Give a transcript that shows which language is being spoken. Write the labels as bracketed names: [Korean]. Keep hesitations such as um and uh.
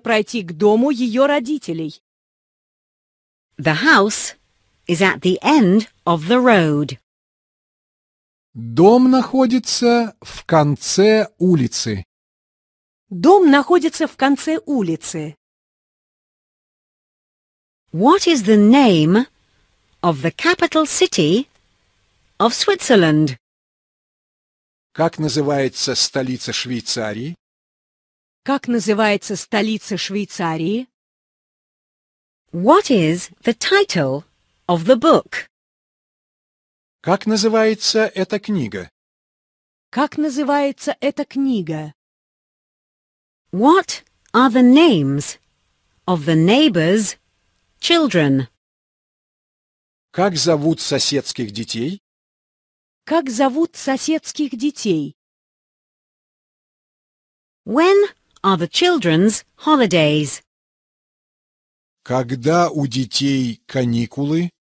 [Russian] пройти к дому ее родителей? [English] The house is at the end of the road. [Russian] Дом находится в конце улицы. Дом находится в конце улицы. [English] What is the name of the capital city of Switzerland? [Russian] Как называется столица Швейцарии? Как называется столица Швейцарии? [English] What is the title of the book? [Russian] Как называется эта книга? Как называется эта книга? [English] What are the names of the neighbors' children? [Russian] Как зовут соседских детей? Как зовут соседских детей? [English] When are the children's holidays? [Russian] Когда у детей каникулы?